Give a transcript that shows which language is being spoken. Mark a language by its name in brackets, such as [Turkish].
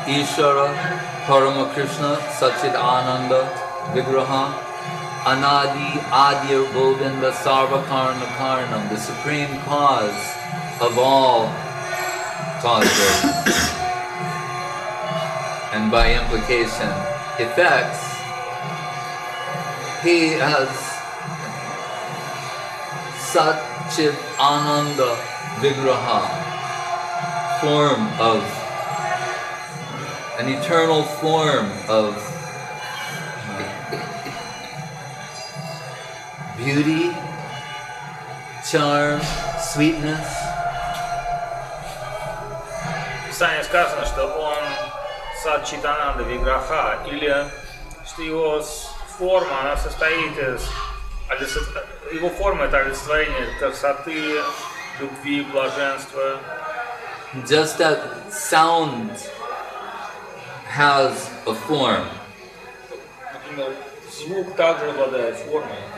[Sanskrit] Ишвара, Парама Кришна, Сачит Ананда, Виграха, Анади, Адья, Говинда, Сарва Карна Карнам, [English] the supreme cause of all causes. And by implication, effects. He has Sat-Chit Ananda Vigraha, form of an eternal form of beauty, charm, sweetness. [Russian] Писание сказано, что он Сат-Чит-Ананда Виграха, или что его форма, она состоит из его форма — это олицетворение красоты, любви, блаженства. [English] Just that sound has a form. [Russian] Например, звук также обладает формой.